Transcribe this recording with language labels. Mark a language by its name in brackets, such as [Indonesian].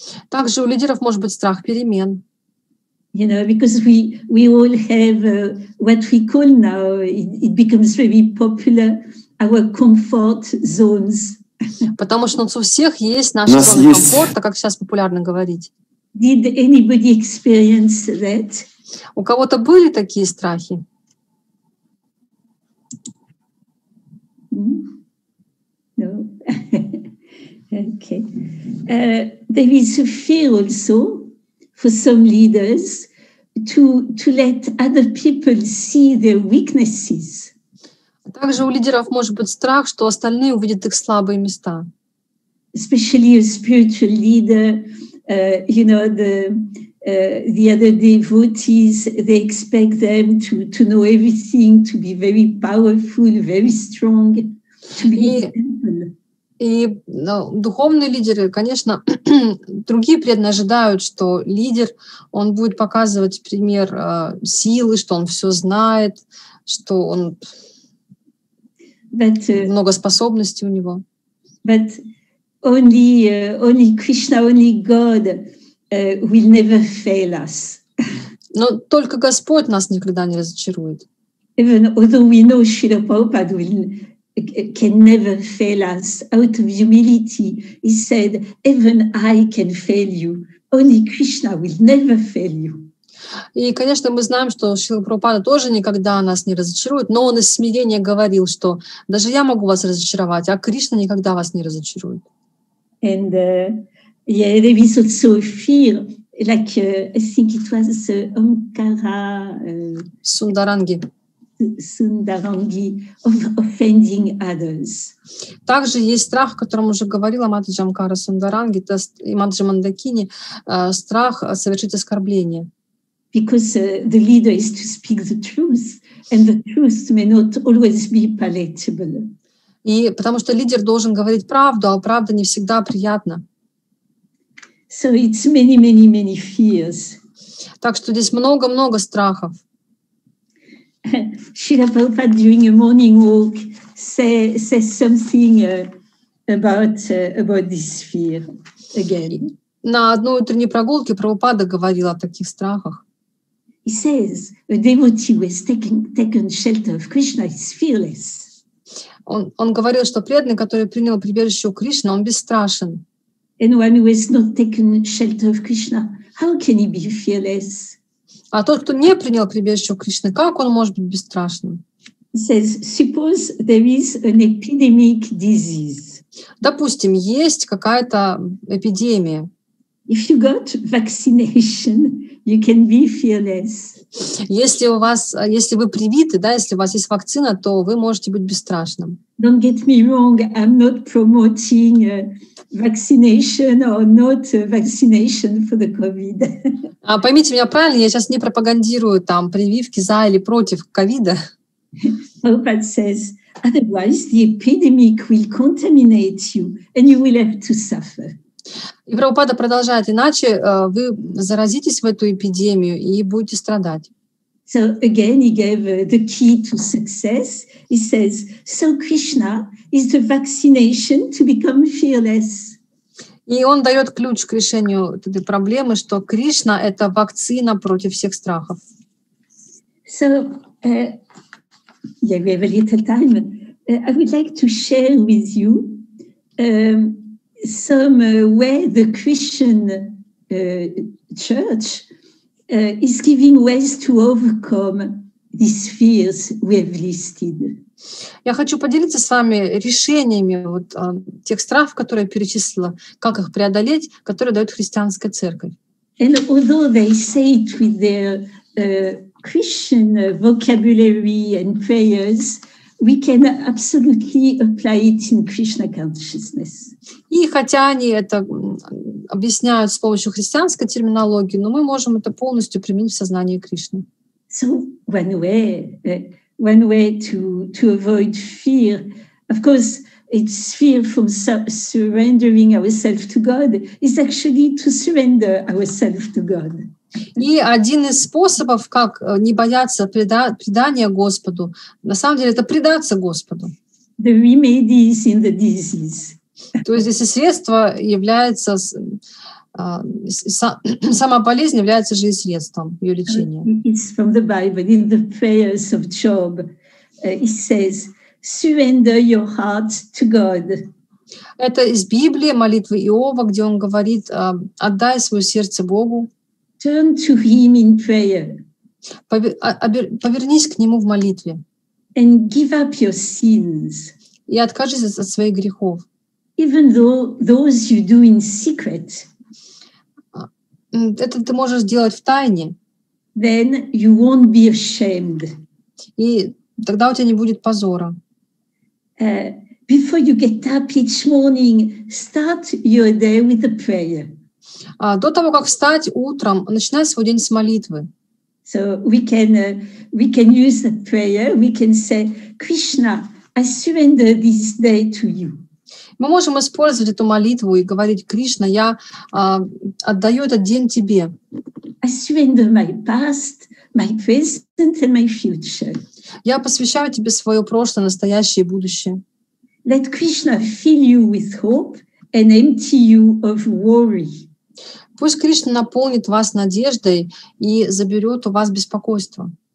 [Russian] Также у лидеров может быть страх перемен. [English] You know, because we all have what we call now, it becomes very popular, our comfort zones. [Russian] Потому что у всех есть наша зона комфорта, как сейчас популярно говорить. [English] Did anybody experience that? [Russian] У кого-то были такие страхи? [English] No. Okay. There is a fear also for some leaders to let other people see their weaknesses. [Russian] Также у лидеров может быть страх, что остальные увидят их слабые места. [English] Especially a spiritual leader, you know, the other devotees, they expect them to know everything, to be very powerful, very strong, to be example. [Russian] Духовные лидеры, конечно, другие преданные ожидают, что лидер, он будет показывать пример силы, что он все знает, что он много способностей у него. [English] But only Krishna, only God will never fail us. [Russian] Но только Господь нас никогда не разочарует. [English] Even although we know Srila Prabhupada can never fail us, out of humility, he said, even I can fail you. Only Krishna will never fail you. [Russian] И, конечно, мы знаем, что Шрила Прабхупада тоже никогда нас не разочарует, но он из смирения говорил, что даже я могу вас разочаровать, а Кришна никогда вас не разочарует. [English] And yeah, there is also a fear, like I think it was Omkara Sundarangi of offending others. [Russian] Также есть страх, о котором уже говорила Матаджи Омкара Сундаранги, это и Матаджи Мандакини, страх совершить оскорбление. [English] Because the leader is to speak the truth, and the truth may not always be palatable. [Russian] И потому что лидер должен говорить правду, а правда не всегда приятна. [English] So it's many fears. [Russian] Так что здесь много страхов. [English] Srila Prabhupada during a morning walk says something about this fear again. [Russian] На одной утренней прогулке Прабхупада говорил о таких страхах. [English] He says, a devotee who has taken shelter of Krishna is fearless. [Russian] Он говорил, что преданный, который принял прибежище у Кришны, он бесстрашен. [English] Anyone who has not taken shelter of Krishna, how can he be fearless? [Russian] А тот, кто не принял прибежище у Кришны, как он может быть бесстрашным? [English] He says, suppose there is an epidemic disease. [Russian] Допустим, есть какая-то эпидемия. [English] If you got vaccination, you can be fearless. [Russian] Если вы привиты, да, если у вас есть вакцина, то вы можете быть бесстрашным. [English] Don't get me wrong, I'm not promoting vaccination or not vaccination for the COVID. [Russian] А поймите меня правильно, я сейчас не пропагандирую там прививки за или против ковида. [English] Prabhupada says, otherwise the epidemic will contaminate you and you will have to suffer. [Russian] И Прабхупада продолжает, иначе вы заразитесь в эту эпидемию и будете страдать. [English] So again, he gave the key to success. He says, "So Krishna is the vaccination to become fearless." [Russian] И он дает ключ к решению этой проблемы, что Кришна — это вакцина против всех страхов. [English] So, yeah, we have a little time. I would like to share with you some way the Christian church is giving ways to overcome these fears we have listed. [Russian] Я хочу поделиться с вами решениями вот тех страхов, которые я перечислила, как их преодолеть, которые дает христианская церковь. [English] And although they say it with their Christian vocabulary and prayers, we can absolutely apply it in Krishna consciousness. [Russian] И хотя они это объясняют с помощью христианской терминологии, но мы можем это полностью применить в сознании Кришны. [English] So one way to avoid fear, of course, it's fear from surrendering ourselves to God, is actually to surrender ourselves to God. [Russian] И один из способов, как не бояться предания Господу, на самом деле это предаться Господу. [English] The remedy is in the disease. [Russian] То есть если средство является, сама болезнь является же и средством ее лечения. [English] It's from the Bible, in the prayers of Job. It says, surrender your heart to God. [Russian] Это из Библии, молитвы Иова, где он говорит, отдай свое сердце Богу. [English] Turn to him in prayer. [Russian] Повернись к нему в молитве. [English] And give up your sins. [Russian] И откажись от своих грехов. [English] Even though those you do in secret. [Russian] Это ты можешь сделать в тайне. [English] Then you won't be ashamed. [Russian] И тогда у тебя не будет позора. [English] Before you get up each morning, start your day with a prayer. [Russian] До того, как встать утром, начинай свой день с молитвы. [English] So we can use the prayer, we can say, Krishna, I surrender this day to you. [Russian] Мы можем использовать эту молитву и говорить, Кришна, я отдаю этот день тебе. [English] I surrender my past, my present and my future. [Russian] Я посвящаю тебе свое прошлое, настоящее и будущее. [English] Let Krishna fill you with hope and empty you of worry. [Russian] Пусть Кришна наполнит вас надеждой и заберет у вас беспокойство.